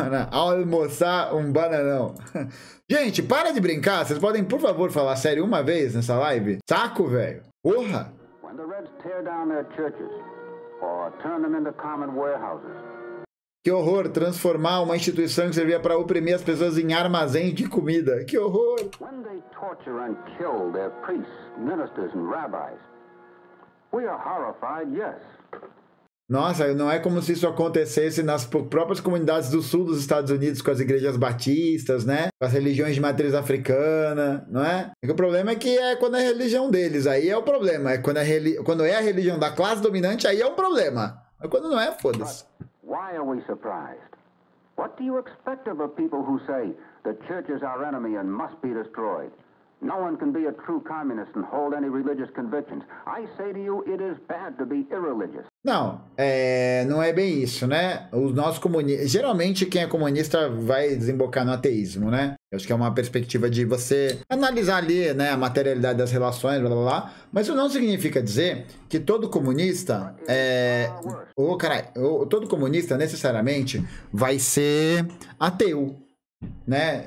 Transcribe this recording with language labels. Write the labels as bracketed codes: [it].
[pt] Almoçar um bananão. Gente, para de brincar. Vocês podem, por favor, falar sério uma vez nessa live? Saco, velho? Porra! [en] Quando os Reds tear down their churches or turn them into common warehouses. [pt] Que horror, transformar uma instituição que servia para oprimir as pessoas em armazém de comida. Que horror! [en] When they torture and kill their priests, ministers and rabbis, we are horrified, yes. [pt] Nossa, não é como se isso acontecesse nas próprias comunidades do sul dos Estados Unidos com as igrejas batistas, né? Com as religiões de matriz africana, não é? É que o problema é que é quando é a religião deles, aí é o problema. É quando, quando é a religião da classe dominante, aí é um problema. Mas quando não é, foda-se. [en] Why are we surprised? What do you expect of a people who say the church is our enemy and must be destroyed? No one can be a true communist and hold any religious convictions. I say to you, it is bad to be irreligious. [pt] Não, não é bem isso, né? Os nossos comunistas... Geralmente, quem é comunista vai desembocar no ateísmo, né? Eu acho que é uma perspectiva de você analisar ali, né, a materialidade das relações, blá, blá, blá. Mas isso não significa dizer que todo comunista é... Ô, caralho, todo comunista necessariamente vai ser ateu. Né?